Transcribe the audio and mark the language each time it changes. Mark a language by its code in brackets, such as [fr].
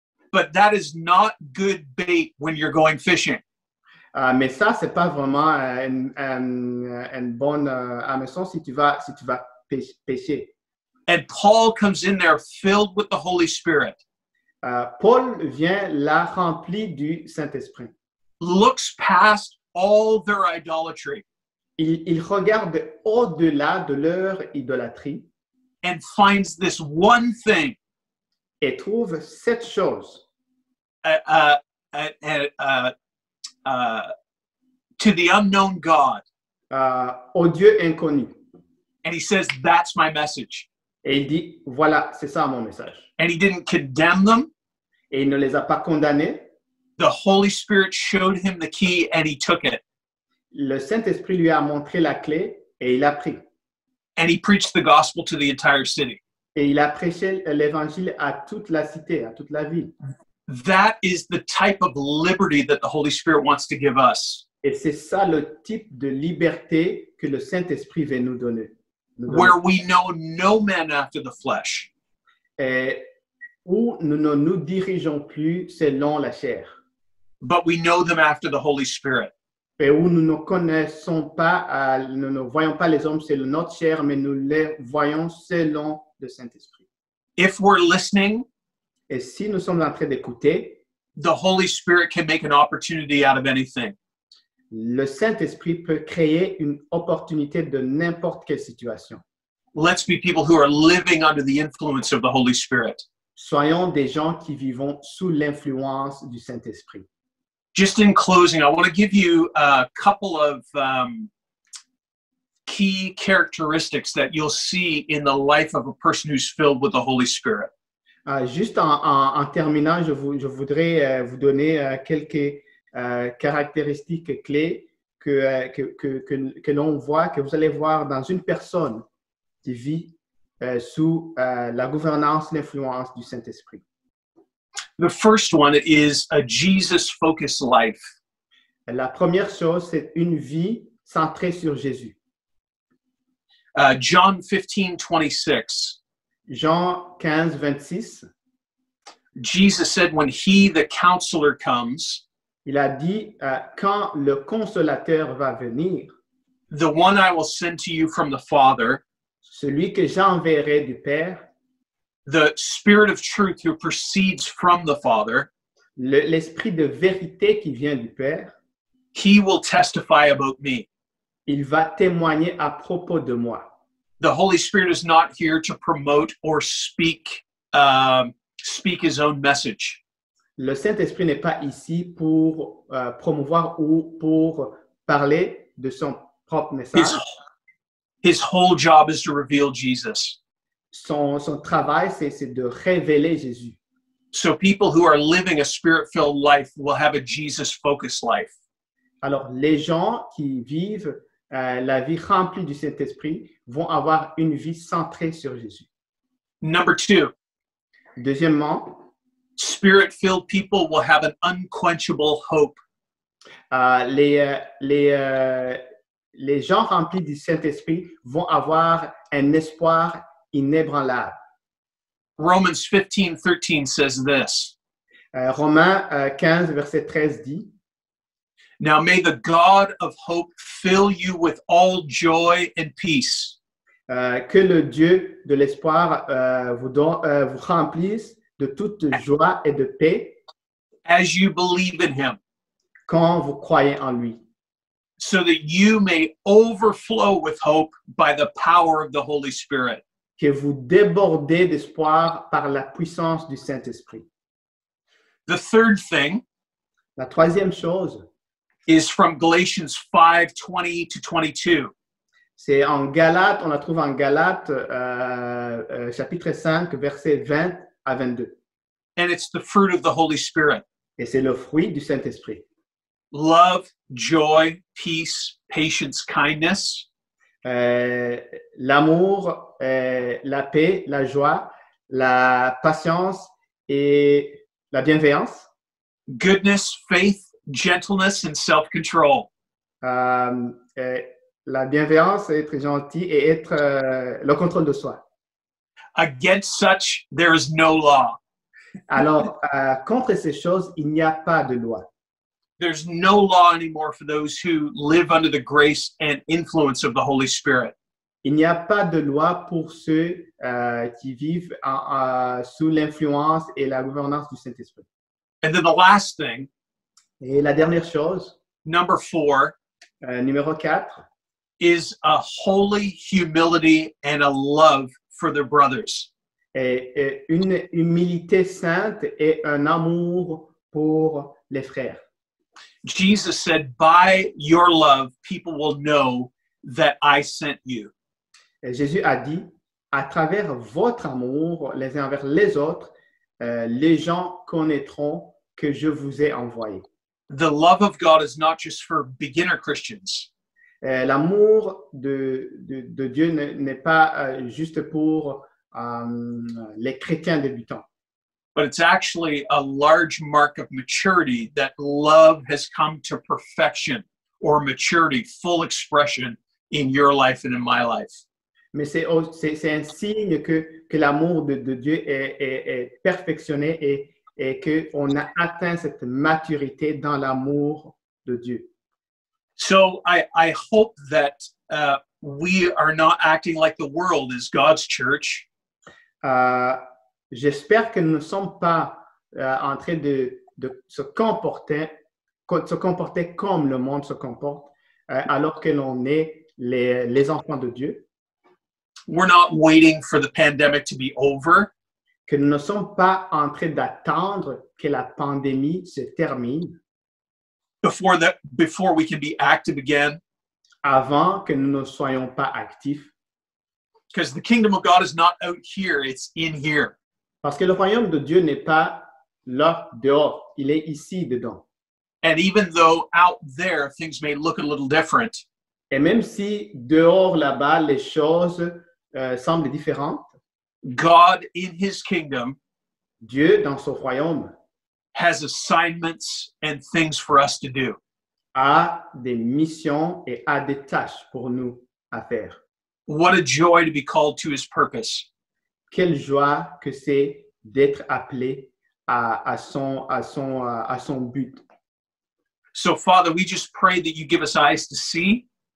[en] But that is not good bait when you're going fishing. [fr] Mais ça, c'est pas vraiment une bonne amison si tu vas pécher. [en] And Paul comes in there filled with the Holy Spirit. [fr] Paul vient là rempli du Saint-Esprit. [en] Looks past all their idolatry. [fr] Il regarde au-delà de leur idolâtrie. [en] And finds this one thing. [fr] Et trouve cette chose. [en] To the unknown God. [fr] Au Dieu inconnu. [en] And he says, that's my message. [fr] Et il dit, voilà, c'est ça mon message. [en] And he didn't condemn them. [fr] Et il ne les a pas condamnés. [en] The Holy Spirit showed him the key and he took it. [fr] Le Saint-Esprit lui a montré la clé et il a pris. [en] And he preached the gospel to the entire city. [fr] Et il a prêché l'évangile à toute la cité, à toute la ville. [en] That is the type of liberty that the Holy Spirit wants to give us. [fr] Et c'est ça le type de liberté que le Saint-Esprit veut nous donner. [en] Where we know no man after the flesh. [fr] Et où nous ne nous dirigeons plus selon la chair. [en] But we know them after the Holy Spirit. [fr] Et où nous ne connaissons pas, nous ne voyons pas les hommes selon notre chair, mais nous les voyons selon le Saint-Esprit. [en] If we're listening, [fr] et si nous sommes en train d'écouter, [en] the Holy Spirit can make an opportunity out of anything. [fr] Le Saint-Esprit peut créer une opportunité de n'importe quelle situation. [en] Let's be people who are living under the influence of the Holy Spirit. [fr] Soyons des gens qui vivons sous l'influence du Saint-Esprit. [en] Just in closing, I want to give you a couple of key characteristics that you'll see in the life of a person who's filled with the Holy Spirit. [fr] Juste en terminant, je voudrais vous donner quelques caractéristiques clés que l'on voit, que vous allez voir dans une personne qui vit sous la gouvernance, l'influence du Saint-Esprit. [en] The first one is a Jesus-focused life. [fr] La première chose, c'est une vie centrée sur Jésus. [en] John 15, 26. [fr] Jean 15, 26. [en] Jesus said, when he, the counselor, comes, [fr] il a dit, quand le consolateur va venir, [en] the one I will send to you from the Father, [fr] celui que j'enverrai du Père, [en] the Spirit of Truth who proceeds from the Father, [fr] l'esprit de vérité qui vient du Père, [en] he will testify about me. [fr] Il va témoigner à propos de moi. [en] The Holy Spirit is not here to promote or speak his own message. [fr] Le Saint-Esprit n'est pas ici pour promouvoir ou pour parler de son propre message. [en] His whole job is to reveal Jesus. [fr] Son travail, c'est de révéler Jésus. [en] So people who are living a Spirit-filled life will have a Jesus-focused life. [fr] Alors, les gens qui vivent la vie remplie du Saint-Esprit vont avoir une vie centrée sur Jésus. [en] Number two. [fr] Deuxièmement, [en] Spirit-filled people will have an unquenchable hope. [fr] Les gens remplis du Saint-Esprit vont avoir un espoir inébranlable. [en] Romans 15, 13 says this. [fr] Romains 15, verset 13 dit, [en] now may the God of hope fill you with all joy and peace. [fr] Que le Dieu de l'espoir vous remplisse de toute joie et de paix. [en] As you believe in him. [fr] Quand vous croyez en lui. [en] So that you may overflow with hope by the power of the Holy Spirit. [fr] Que vous débordez d'espoir par la puissance du Saint-Esprit. [en] The third thing. [fr] La troisième chose. [en] Is from Galatians 5, 20 to 22. [fr] C'est en Galates, on la trouve en Galates, chapitre 5, verset 20 à 22. [en] And it's the fruit of the Holy Spirit. [fr] Et c'est le fruit du Saint-Esprit. [en] Love, joy, peace, patience, kindness. [fr] L'amour, la paix, la joie, la patience et la bienveillance. [en] Goodness, faith, gentleness and self-control. [fr] La bienveillance, être gentil et être le contrôle de soi. [en] Against such, there is no law. [fr] Alors, contre ces choses, il n'y a pas de loi. [en] there's no law anymore for those who live under the grace and influence of the Holy Spirit. [fr] Il n'y a pas de loi pour ceux qui vivent sous l'influence et la gouvernance du Saint-Esprit. [en] And then the last thing. [fr] Et la dernière chose. [en] Number four. [fr] Numéro quatre. [en] Is a holy humility and a love for their brothers. [fr] Et une humilité sainte et un amour pour les frères. [en] Jesus said, "By your love, people will know that I sent you." [fr] Et Jésus a dit, à travers votre amour les uns envers les autres, les gens connaîtront que je vous ai envoyé. [en] The love of God is not just for beginner Christians. [fr] L'amour de Dieu n'est pas juste pour les chrétiens débutants. [en] But it's actually a large mark of maturity that love has come to perfection or maturity, full expression in your life and in my life. [fr] Mais c'est un signe que l'amour de Dieu est perfectionné et qu'on a atteint cette maturité dans l'amour de Dieu. [en] So I hope that we are not acting like the world is God's church. [fr] J'espère que nous ne sommes pas en train de se comporter comme le monde se comporte, alors que l'on est les enfants de Dieu. [en] We're not waiting for the pandemic to be over. [fr] Que nous ne sommes pas en train d'attendre que la pandémie se termine. [en] Before we can be active again. [fr] Avant que nous ne soyons pas actifs. [en] Because the kingdom of God is not out here, it's in here. [fr] Parce que le royaume de Dieu n'est pas là dehors, il est ici dedans. [en] And even though out there things may look a little different. [fr] Et même si dehors là-bas les choses semblent différentes. [en] God in his kingdom. [fr] Dieu dans son royaume. [en] Has assignments and things for us to do. [fr] A des missions et a des tâches pour nous à faire. [en] What a joy to be called to his purpose. [fr] Quelle joie que c'est d'être appelé à son but. [en] So Father, we just pray that you give us eyes to see.